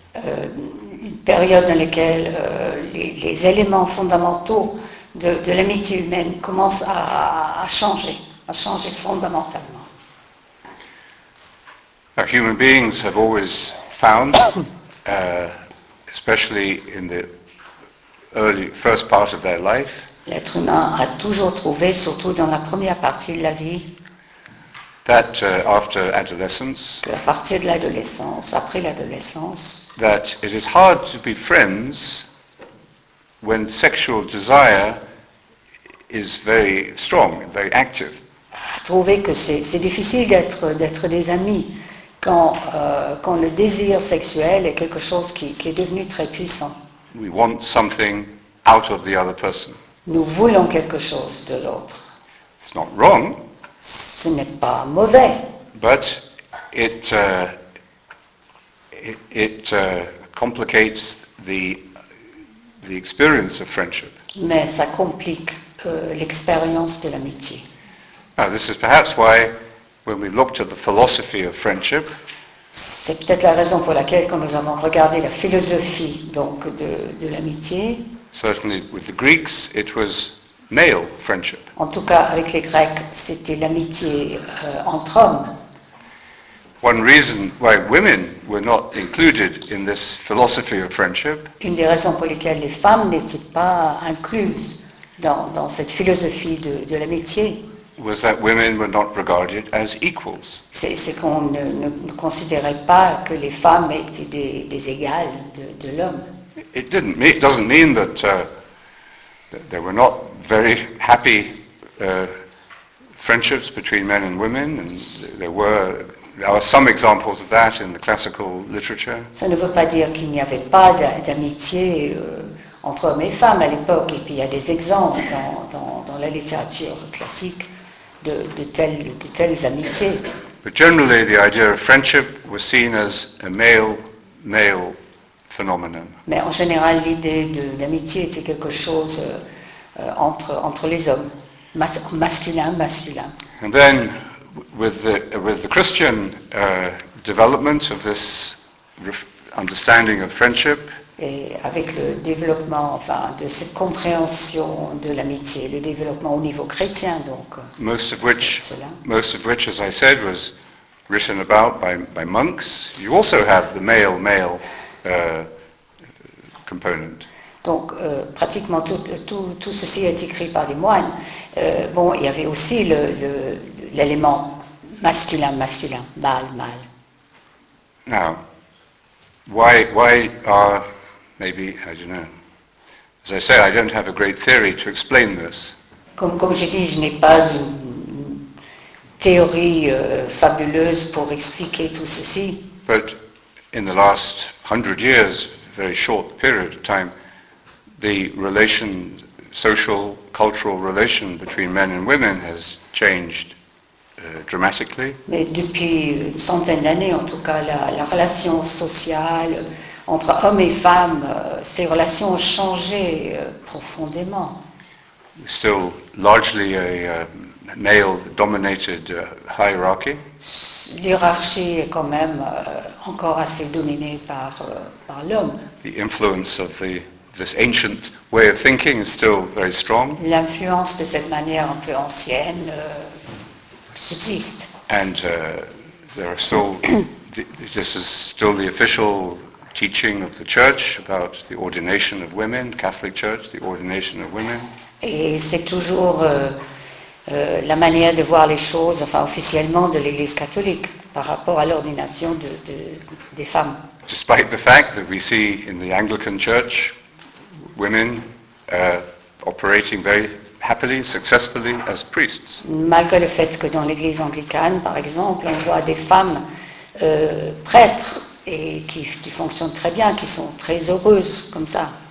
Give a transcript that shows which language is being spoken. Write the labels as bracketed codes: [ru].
[fr] une période dans laquelle les éléments fondamentaux de l'amitié humaine commencent à changer fondamentalement. [en] Our human beings have always found, especially in the early first part of their life, [fr] l'être humain a toujours trouvé, surtout dans la première partie de la vie, [en] that after adolescence, [fr] à partir de l'adolescence, après l'adolescence, [en] that it is hard to be friends when sexual desire is very strong, very active. [fr] Trouver que c'est difficile d'être des amis quand le désir sexuel est quelque chose qui est devenu très puissant. [en] We want something out of the other person. [fr] Nous voulons quelque chose de l'autre. [en] It's not wrong. [fr] Ce n'est pas mauvais. [en] But it complicates the experience of friendship. [fr] Mais ça complique l'expérience de l'amitié. [en] Now, this is perhaps why, when we looked at the philosophy of friendship, [fr] c'est peut-être la raison pour laquelle, quand nous avons regardé la philosophie donc de l'amitié, [en] certainly with the Greeks, it was male friendship. [fr] En tout cas, avec les Grecs, c'était l'amitié entre hommes. [en] One reason why women were not included in this philosophy of friendship, [fr] une des raisons pour lesquelles les femmes n'étaient pas incluses dans cette philosophie de l'amitié, [en] was that women were not regarded as equals. [fr] C'est qu'on ne considérait pas que les femmes étaient des égales de l'homme. [en] It doesn't mean that they were not very happy friendships between men and women, and there are some examples of that in the classical literature. [fr] Ça ne veut pas dire qu'il n'y avait pas d'amitié entre hommes et femmes à l'époque, et puis il y a des exemples dans la littérature classique de telles amitiés. [en] But generally, the idea of friendship was seen as a male-male phenomenon. [fr] Mais en général, l'idée d'amitié était quelque chose entre les hommes, masculin. [en] And then, with the Christian development of this understanding of friendship, [fr] et avec le développement de cette compréhension de l'amitié, le développement au niveau chrétien, donc. [en] Most of which, as I said, was written about by monks. You also have the male-male component. [fr] Donc, pratiquement tout ceci est écrit par des moines. Bon, il y avait aussi l'élément masculin, mâle. [en] Now, why are... Maybe, I don't know. As I say, I don't have a great theory to explain this. [fr] Comme j'ai dit, je n'ai pas une théorie fabuleuse pour expliquer tout ceci. [en] But in the last 100 years, very short period of time, the relation, social, cultural relation between men and women has changed dramatically. [fr] Mais depuis une centaine d'années, en tout cas, la relation sociale entre hommes et femmes, ces relations ont changé profondément. [en] Still largely a male-dominated hierarchy. [fr] L'hierarchie est quand même encore assez dominée par l'homme. [en] The influence of this ancient way of thinking is still very strong. [fr] L'influence de cette manière un peu ancienne subsiste. [en] And there are still this is still the official teaching of the church about the ordination of women, Catholic Church, the ordination of women. [fr] Et c'est toujours la manière de voir les choses, enfin officiellement, de l'Église catholique par rapport à l'ordination des femmes. [en] Despite the fact that we see in the Anglican Church women operating very happily, successfully as priests. [fr] Malgré le fait que dans l'Église anglicane, par exemple, on voit des femmes prêtres et qui fonctionnent très bien, qui sont très heureuses comme ça.